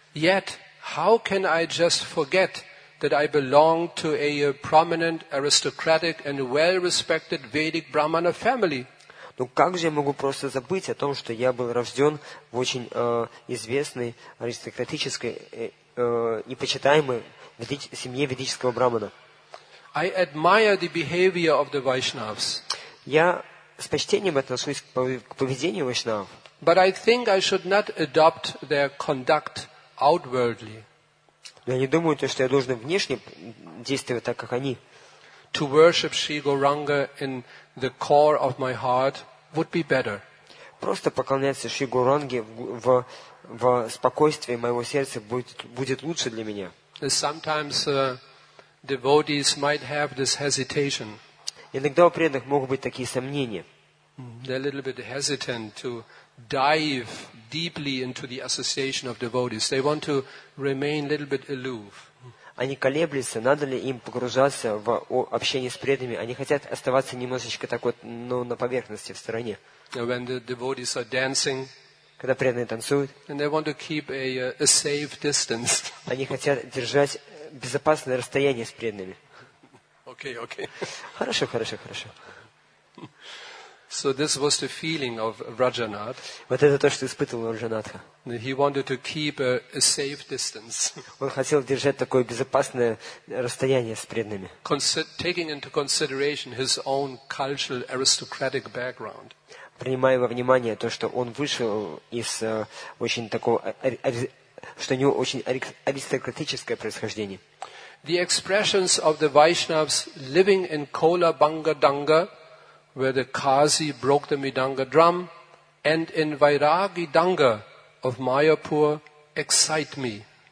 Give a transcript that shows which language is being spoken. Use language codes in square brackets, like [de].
[en] Yet, how can I just forget that I belong to a prominent, aristocratic and well-respected Vedic Brahmana family? [ru] Ну как же я могу просто забыть о том, что я был рожден в очень известной, аристократической и почитаемой семье ведического брахмана? [en] I admire the behavior of the Vaishnavas. [ru] Я с почтением отношусь к поведению вайшнав. [en] But I think I should not adopt their conduct outwardly. [ru] Я не думаю, что я должен внешне действовать так, как они. [en] To worship Sri Gauranga in the core of my heart would be better. [ru] Просто поклоняться Шри Гауранге в спокойствии моего сердца будет лучше для меня. [en] Sometimes devotees might have this hesitation. [ru] Иногда у преданных могут быть такие сомнения. [en] They're a little bit hesitant to dive deeply into the association of devotees. They want to remain a little bit aloof. [ru] Они колеблются, надо ли им погружаться в общение с преданными. Они хотят оставаться немножечко так вот, ну, на поверхности, в стороне. [en] When the devotees are dancing, [ru] когда преданные танцуют, [en] and they want to keep a safe distance. [ru] Они хотят держать безопасное расстояние с преданными. [en] Okay, okay. [ru] Хорошо, хорошо, хорошо. [en] So this was the feeling of Rajanath. [ru] Вот это то, что испытывал Раджанатха. [en] He wanted to keep a safe distance. [ru] Он хотел держать такое безопасное расстояние с преданными. [en] Taking into consideration his own cultural aristocratic background. [ru] Принимая во внимание то, что он вышел из очень такого, что у него очень аристократическое происхождение. [en] The expressions of the Vaishnavas living in Kola Banga Danga, where the Kazi broke the Midanga drum, and in Vairagi Danga of Mayapur excite me.